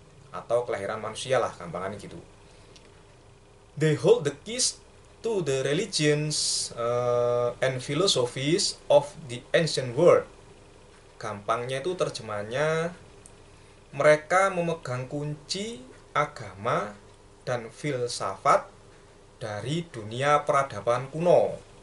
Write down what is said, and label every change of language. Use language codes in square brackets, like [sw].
[id] Atau kelahiran manusia lah, gambarannya gitu. [en] They hold the keys to the religions and philosophies of the ancient world. [id] Gampangnya itu terjemahannya, mereka memegang kunci agama dan filsafat dari dunia peradaban kuno.